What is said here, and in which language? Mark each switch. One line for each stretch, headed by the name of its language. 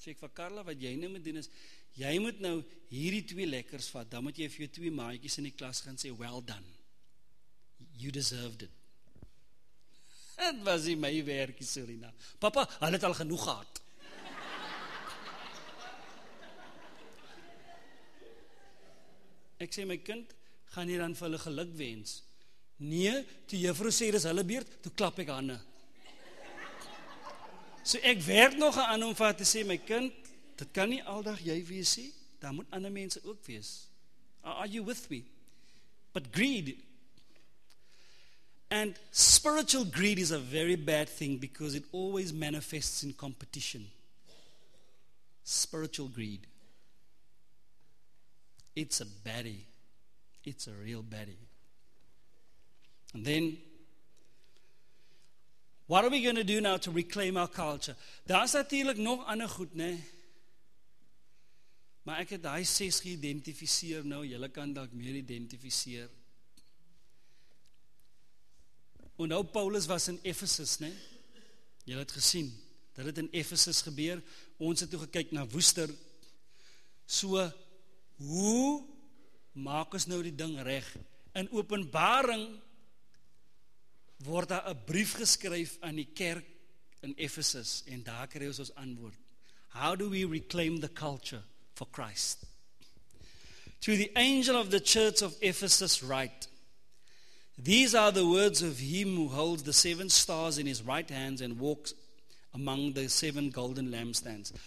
Afrikaans: Sê ek van Carla, wat jy nou moet doen is, jy moet nou hierdie twee lekkers vat, dan moet jy vir jou twee maatjies in die klas gaan sê,
English: well done, you deserved it.
Afrikaans: Het was nie my werkie, Serena. Papa, hulle het al genoeg gehad. Ek sê, my kind, gaan hier dan vir hulle geluk wens. Nee, toe juffrou sê, dis hulle beurt, toe klap ek aan. So ek werk nog aan om vir te sê, my kind, dit kan nie aldag jy wees, sê, daar moet ander mense ook wees.
English: Are you with me? But greed, and spiritual greed is a very bad thing because it always manifests in competition. Spiritual greed. It's a baddie. It's a real baddie. And then, what are we going to do now to reclaim our culture?
Afrikaans: Daar's natuurlik nog ander goed, né? Maar ek het daai 6 geïdentifiseer nou, julle kan dalk meer identifiseer. En nou Paulus was in Ephesus, né? Julle het gesien, dat het in Ephesus gebeur. Ons het toe gekyk na Woester. So, hoe maak ons nou die ding reg? In Openbaring word daar 'n brief geskryf aan die kerk in Ephesus, en daar kry ons ons antwoord.
English: How do we reclaim the culture for Christ? To the angel of the church of Ephesus write, these are the words of him who holds the 7 stars in his right hands and walks among the 7 golden lampstands.